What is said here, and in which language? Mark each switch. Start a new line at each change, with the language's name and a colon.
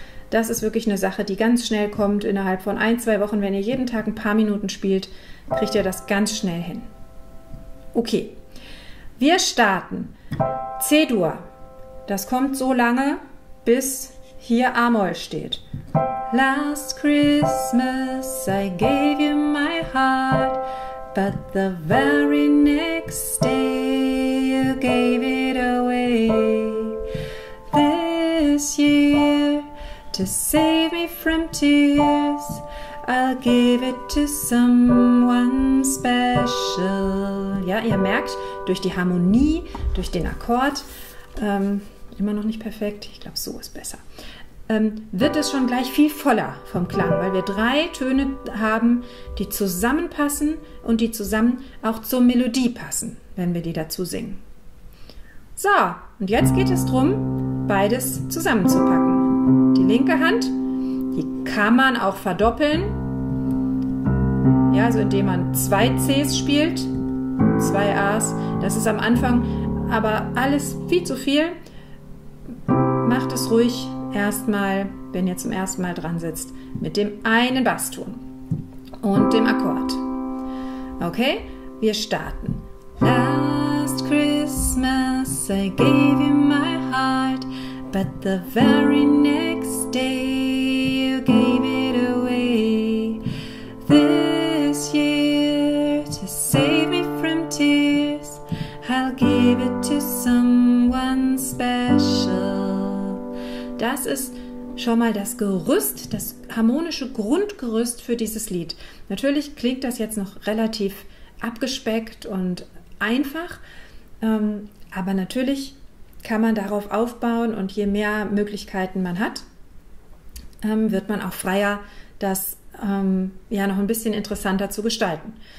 German: Das ist wirklich eine Sache, die ganz schnell kommt. Innerhalb von ein, zwei Wochen, wenn ihr jeden Tag ein paar Minuten spielt, kriegt ihr das ganz schnell hin. Okay, wir starten. C-Dur. Das kommt so lange, bis hier A-Moll steht.
English: Last Christmas I gave you my heart, but the very next day you gave it away. This year, to save me from tears, I'll give it to someone special.
German: Ja, ihr merkt, durch die Harmonie, durch den Akkord, immer noch nicht perfekt, ich glaube, so ist besser, wird es schon gleich viel voller vom Klang, weil wir drei Töne haben, die zusammenpassen und die zusammen auch zur Melodie passen, wenn wir die dazu singen. So, und jetzt geht es darum, beides zusammenzupacken. Die linke Hand, die kann man auch verdoppeln, ja, also indem man zwei Cs spielt, zwei As. Das ist am Anfang aber alles viel zu viel. Macht es ruhig erstmal, wenn ihr zum ersten Mal dran sitzt, mit dem einen Basston und dem Akkord. Okay, wir starten.
English: Last Christmas I gave you my heart, but the very next day you gave it away. This year, to save me from tears, I'll give it to someone special.
German: Das ist schon mal das Gerüst, das harmonische Grundgerüst für dieses Lied. Natürlich klingt das jetzt noch relativ abgespeckt und einfach, aber natürlich kann man darauf aufbauen und je mehr Möglichkeiten man hat, wird man auch freier, das ja noch ein bisschen interessanter zu gestalten.